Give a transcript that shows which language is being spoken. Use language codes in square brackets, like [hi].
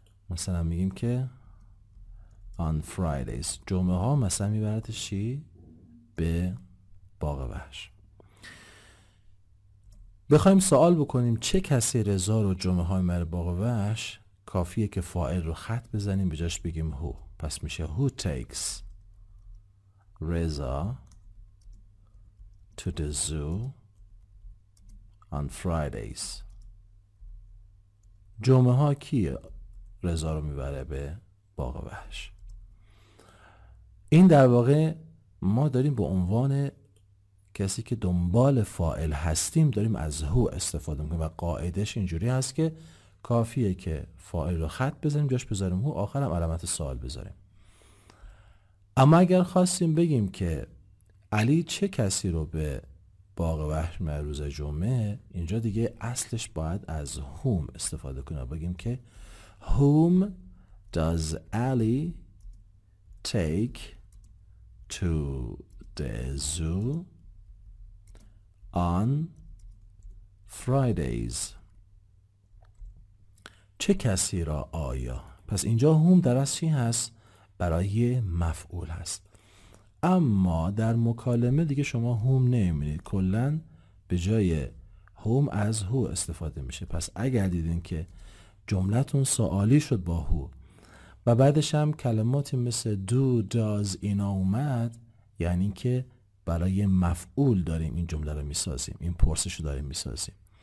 [fa] مثلا میگیم که [en] On Fridays، [fa] جمعه ها مثلا میبردشی به باغ وحش. بخوایم سوال بکنیم چه کسی رضا را جمعه های میبره باغ وحش، کافیه که فاعل رو خط بزنیم به جاش بگیم هو. پس میشه [en] Who takes Reza to the zoo on Fridays. [fa] جمعه ها کی رضا رو میبره به باغ وحش؟ این در واقع ما داریم به عنوان کسی که دنبال فاعل هستیم داریم از هو استفاده میکنیم و قاعدش اینجوری هست که کافیه که فاعل رو خط بزنیم جاش بذاریم هو، آخرم علامت سوال بذاریم. اما اگر خواستیم بگیم که علی چه کسی رو به باغ وحش روز جمعه، اینجا دیگه اصلش باید از whom استفاده کنیم. بگیم که [en] whom does Ali take to the zoo on Fridays. [fa] چه کسی را آیا؟ پس اینجا whom در اصل چی هست؟ برای مفعول هست. اما در مکالمه دیگه شما هوم نمی‌بینید، کلن به جای هوم از هو استفاده میشه. پس اگر دیدین که جملتون سوالی شد با هو و بعدش هم کلماتی مثل دو داز اینا اومد، یعنی که برای مفعول داریم این جمله رو میسازیم، این پرسش رو داریم میسازیم.